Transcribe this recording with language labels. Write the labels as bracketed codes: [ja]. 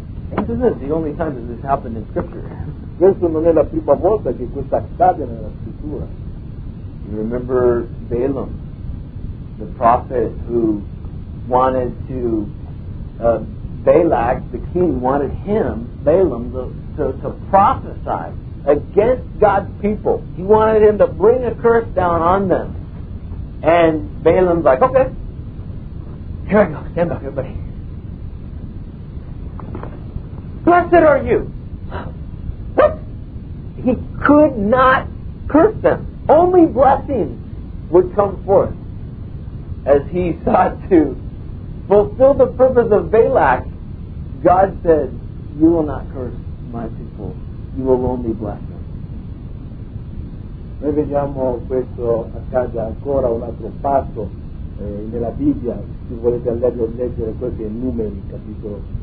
[en] And this is the only time that this happened in Scripture. [it] Questa non è la prima volta che questo accade nella Scrittura. [en] You remember Balaam, the prophet who wanted to, Balak, the king, wanted him, Balaam, to prophesy against God's people. He wanted him to bring a curse down on them. And Balaam's like, okay, here I go, stand back, everybody. Blessed are you. What? He could not curse them. Only blessings would come forth as he sought to fulfill the purpose of Balak. God said, you will not curse my people. You will only bless them. [it] Noi vediamo questo accade ancora un altro fatto nella Bibbia. Se volete andare a leggere questo in Numeri, capitolo